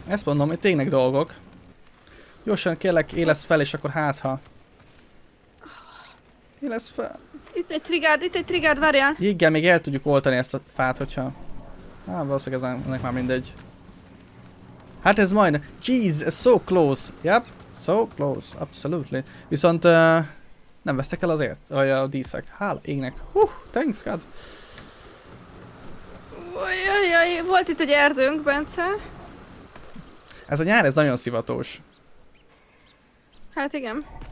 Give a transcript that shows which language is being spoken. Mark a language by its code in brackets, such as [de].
[hu] Ezt mondom, itt tényleg dolgok. Gyorsan kérlek, élesz fel, és akkor hátha. Élesz fel. Itt egy trigárd, várjál. Igen, még el tudjuk oltani ezt a fát, hogyha... Á, valószínűleg ezenek már mindegy. Hát ez majd... [en] Jeez, so close. Yep, so close, absolutely. [hu] Viszont... nem vesztek el azért, vagy a díszek. Hála égnek. [en] Thanks God. [hu] Ujjajjaj, volt itt egy erdőnk, Bence. Ez a nyár, ez nagyon szivatós. Hát igen.